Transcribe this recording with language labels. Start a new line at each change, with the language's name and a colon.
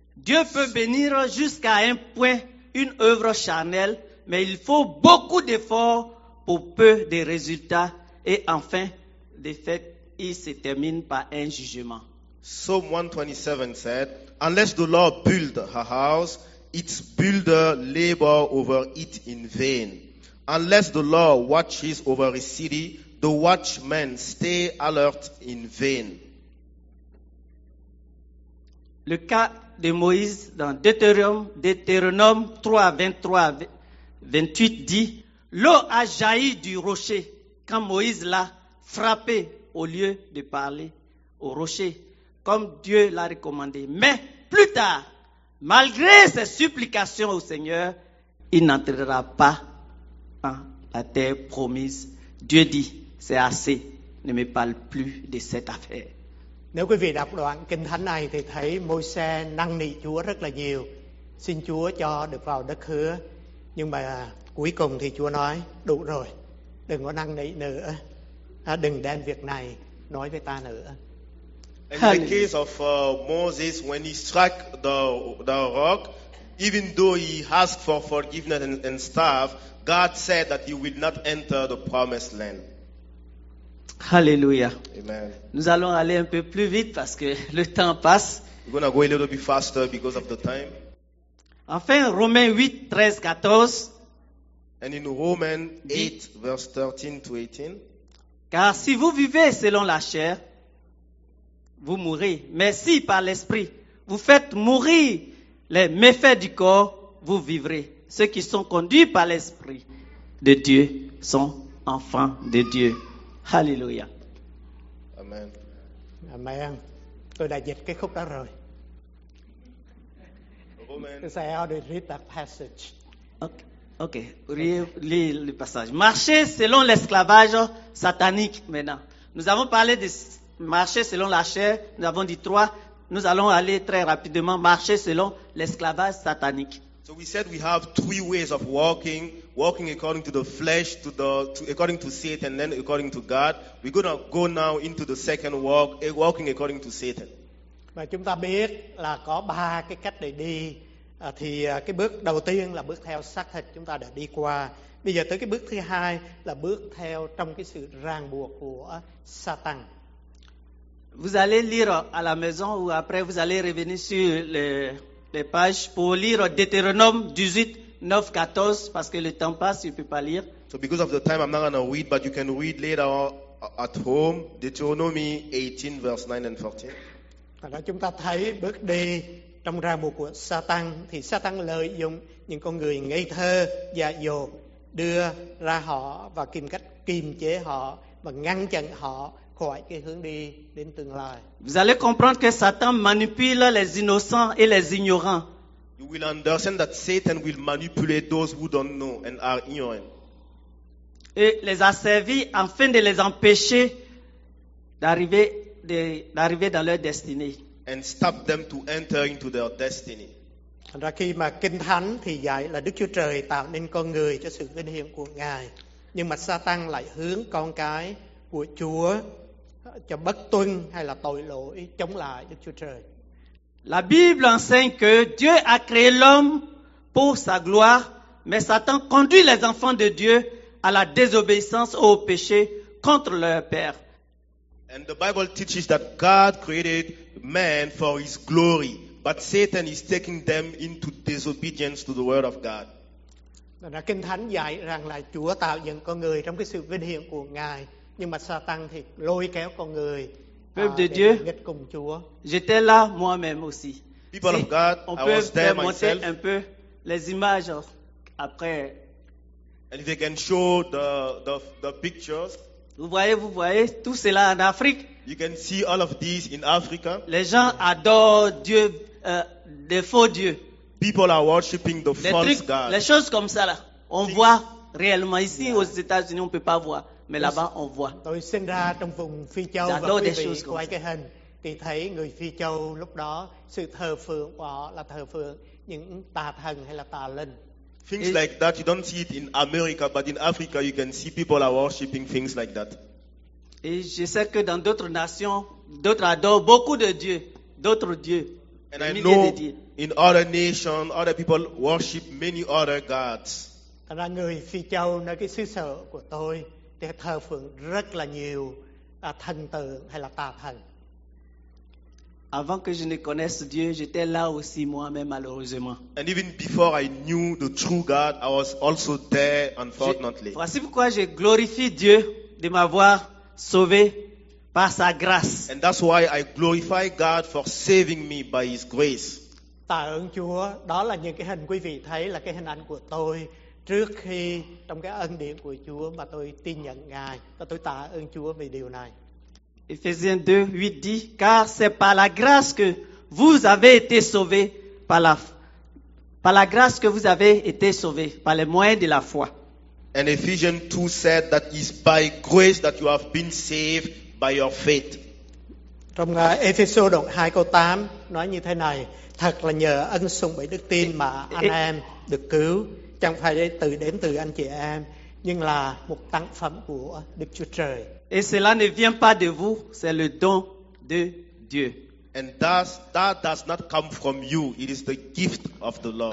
French: Dieu peut bénir jusqu'à un point une œuvre charnelle, mais il faut beaucoup d'efforts pour peu de résultats, et enfin, de fait, il se termine par un jugement.
English: Psalm 127 said, unless the Lord build a house, its builder labor over it in vain. Unless the Lord watches over a city, the watchmen stay alert in vain.
French: Le cas de Moïse dans Deutéronome 3:23-28 dit: l'eau a jailli du rocher quand Moïse l'a frappé au lieu de parler au rocher, comme Dieu l'a recommandé. Mais plus tard, malgré ses supplications au Seigneur, il n'entrera pas dans la terre promise. Dieu dit: c'est assez, ne me parle plus de cette affaire.
Vietnamese: Nếu quý vị đọc đoạn Kinh Thánh này thì thấy Môi-se năn nỉ Chúa rất là nhiều, xin Chúa cho được vào đất hứa, nhưng mà cuối cùng thì Chúa nói: đủ rồi, đừng có năn nỉ nữa, đừng đem việc này nói với ta nữa.
English: In the case of Moses, when he struck the rock, even though he asked for forgiveness and stuff, God said that he will not enter the promised land. Hallelujah. Amen.
French: Nous allons aller un peu plus vite parce que le temps passe.
English: We're going to go a little bit faster because of the time.
French: Enfin, Romains 8, 13, 14.
English: And in Romans 8, verse 13 to 18.
French: Car si vous vivez selon la chair, vous mourrez. Mais si par l'esprit vous faites mourir les méfaits du corps, vous vivrez. Ceux qui sont conduits par l'esprit de Dieu sont enfants de Dieu. Hallelujah. Amen. Amen.
Vietnamese: Tôi đã dịch cái khúc đó rồi. Amen. Tôi sẽ
English: read that passage.
French: Okay. Ok, lisez le passage. Marcher selon l'esclavage satanique maintenant. Nous avons parlé de marcher selon la chair, nous avons dit trois. Nous allons aller très rapidement marcher selon l'esclavage satanique.
English: So we said we have three ways of walking, walking according to the flesh, according to Satan, then according to God. We're going to go now into the second walk, walking according to Satan.
Vietnamese: Và chúng ta biết là có ba cái cách để đi. Thì cái bước đầu tiên là bước theo xác thịt chúng ta đã đi qua. Bây giờ tới cái bước thứ hai là bước theo trong cái sự ràng buộc của Satan.
French: Vous allez lire à la maison ou après vous allez revenir sur les pages pour lire Deutéronome 18, 9, 14 parce que le temps passe, je ne peux pas lire.
English: So because of the time, I'm not going to read, but you can read later at home, Deutéronome 18, verse 9 and 14.
Vietnamese: Và chúng ta thấy bước đi trong ràng buộc của Satan, thì Satan lợi dụng những con người ngây thơ, dại dột, đưa ra họ và tìm cách kiềm chế họ và ngăn chặn họ khỏi cái hướng đi đến tương lai.
French: Vous allez comprendre que Satan manipule les innocents et les ignorants.
English: You will understand that Satan will manipulate those who don't know and are ignorant.
French: Et les asservir afin de les empêcher d'arriver dans leur destinée.
English: And stop them to enter into their destiny.
Vietnamese: Thành ra khi mà Kinh Thánh thì dạy là Đức Chúa Trời tạo nên con người cho sự vinh hiển của Ngài, nhưng mà Satan lại hướng con cái của Chúa cho bất tuân hay là tội lỗi chống lại Đức Chúa Trời.
French: La Bible enseigne que Dieu a créé l'homme pour sa gloire, mais Satan conduit les enfants de Dieu à la désobéissance au péché contre leur père.
English: And the Bible teaches that God created man for his glory, but Satan is taking them into disobedience to the word of God.
Vietnamese: Kinh Thánh dạy rằng là Chúa tạo dựng con người trong cái sự vinh hiển của Ngài, nhưng mà Satan thì lôi kéo con người
French: de Dieu,
Vietnamese: nghịch cùng Chúa.
French: J'étais là moi-même aussi.
English: People of God, on I was there myself.
French: Un peu les images après.
English: And if they can show the pictures.
French: Vous voyez tout cela en Afrique.
English: You can see all of this in Africa.
French: Les gens adorent Dieu, des faux dieux.
English: People are worshiping the false gods.
French: Les choses comme ça là, on voit réellement ici aux États-Unis, on peut pas voir. Mais là-bas, on voit.
Vietnamese: Tôi sinh ra trong vùng Phi Châu và quý vị quay cái hình thì thấy người Phi Châu lúc đó sự thờ phượng của họ là thờ phượng những tà thần hay là tà linh.
English: Things like that, you don't see it in America, but in Africa, you can see people are worshiping things like that.
French: Et je sais que dans d'autres nations, d'autres adorent beaucoup de dieux, d'autres dieux.
English: And I know in other nations, other people worship many other gods.
Vietnamese: Thật ra người Phi Châu nói cái xứ sở của tôi thì thờ phượng rất là nhiều thần tượng hay là tà thần.
French: Avant que je ne connaisse Dieu, j'étais là aussi moi-même malheureusement.
English: And even before I knew the true God, I was also there unfortunately.
French: Voici pourquoi je glorifie Dieu de m'avoir sauvé par sa grâce.
English: And that's why I glorify God for saving me by his grace.
Vietnamese: Tạ ơn Chúa, đó là những cái hình quý vị thấy là cái hình ảnh của tôi. Trước khi trong cái ân điển của Chúa mà tôi tin nhận Ngài, và tôi tạ ơn Chúa vì điều này.
French: Ephésiens 2, 8 dit, car c'est par la grâce que vous avez été sauvés par les moyens de la foi.
English: And Ephesians 2 said that it's by grace that you have been saved by your faith.
Vietnamese: Trong Ephésiens 2 câu 8 nói như thế này, thật là nhờ ân sủng bởi đức tin mà anh em được cứu. Chẳng phải tự đến từ anh chị em, nhưng là một tặng phẩm của Đức Chúa Trời.
French: Et cela ne vient pas de vous, c'est le don de Dieu.
English: And that does not come from you, it is the gift of the Lord.